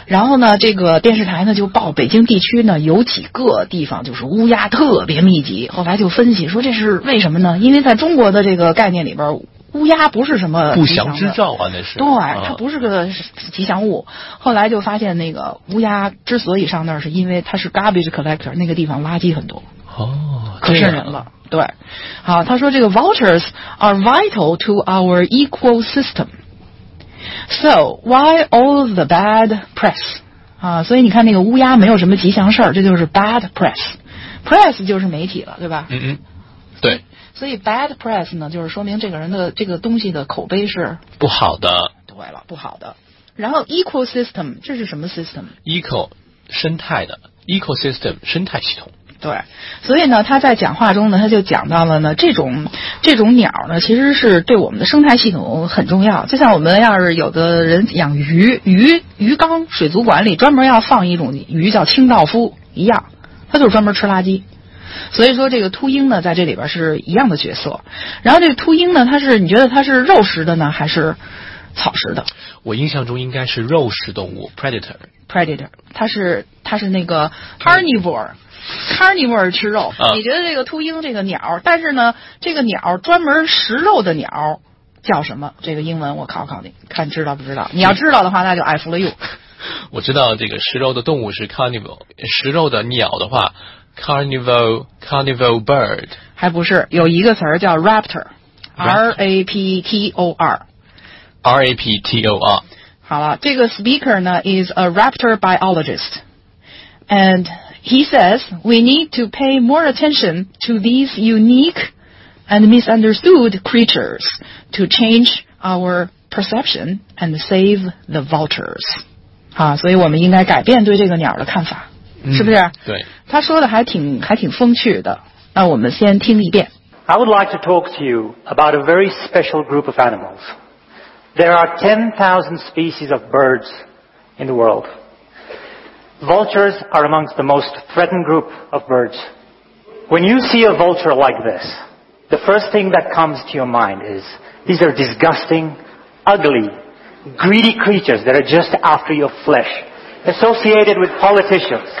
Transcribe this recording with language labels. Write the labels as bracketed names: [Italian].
[Chinese] 然后呢，这个电视台呢就报北京地区呢有几个地方就是乌鸦特别密集，后来就分析说这是为什么呢？因为在中国的这个概念里边，乌鸦不是什么不祥之兆啊，那是对、啊，它不是个吉祥物。后来就发现那个乌鸦之所以上那儿，是因为它是 [English] garbage collector， [Chinese] 那个地方垃圾很多。哦，可瘆人了。对，好，他说这个 [English] vultures are vital to our ecosystem. So why all the bad press? [Chinese] 啊，所以你看那个乌鸦没有什么吉祥事儿，这就是 [English] bad press. [Chinese] Press 就是媒体了，对吧？嗯嗯，对。所以 [English] bad press [Chinese] 呢，就是说明这个人的这个东西的口碑是不好的。对了，不好的。然后 ecosystem 这是什么 system? Eco 生态的 ecosystem 生态系统。对，所以呢，他在讲话中呢，他就讲到了呢，这种鸟呢，其实是对我们的生态系统很重要。就像我们要是有的人养鱼，鱼缸、水族馆里专门要放一种鱼叫清道夫一样，它就是专门吃垃圾。所以说，这个秃鹰呢，在这里边是一样的角色。然后这个秃鹰呢，它是你觉得它是肉食的呢，还是草食的？我印象中应该是肉食动物 ， [English] predator。 [Chinese] predator， 它是那个 carnivore。 carnivore 吃肉、啊、你觉得这个秃鹰这个鸟，但是呢这个鸟专门食肉的鸟叫什么？这个英文我考考你，看知道不知道。你要知道的话那就爱服了 [English] you。 [Chinese] 我知道这个食肉的动物是 carnivore， 食肉的鸟的话 [English] carnivore bird。 [Chinese] 还不是，有一个词儿叫 raptor 。好了，这个 [English] speaker 呢 is a raptor biologist andHe says we need to pay more attention to these unique and misunderstood creatures to change our perception and save the vultures. [Chinese] 啊，所以我们应该改变对这个鸟的看法，是不是？嗯、对，他说的还挺风趣的。那我们先听一遍。 [English] I would like to talk to you about a very special group of animals. There are 10,000 species of birds in the world. Vultures are amongst the most threatened group of birds. When you see a vulture like this, the first thing that comes to your mind is, these are disgusting, ugly, greedy creatures that are just after your flesh, associated with politicians.